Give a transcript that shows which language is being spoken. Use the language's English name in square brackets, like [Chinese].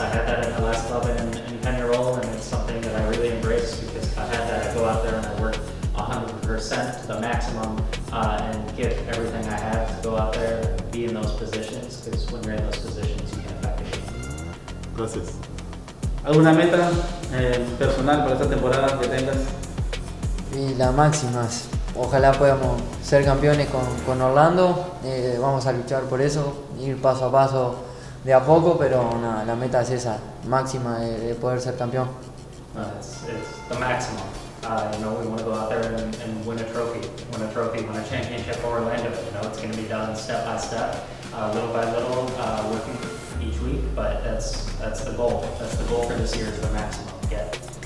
[English] I had that in the last club in Peñarol, and it's something that I really embrace because I had that. I go out there and I work 100% to the maximum and give everything I have to go out there, be in those positions, because when you're in those positions, you can affect the game. [Spanish] Gracias. ¿Alguna meta personal para esta temporada que tengas? Y la máxima. Ojalá podamos ser campeones con Orlando, vamos a luchar por eso, ir paso a paso de a poco, pero nada, la meta es esa, máxima de poder ser campeón. [English] It's the maximum. We want to go out there and win a championship for Orlando. It's going to be done step by step, little by little, working each week, but that's the goal. That's the goal for this year, is the maximum. Get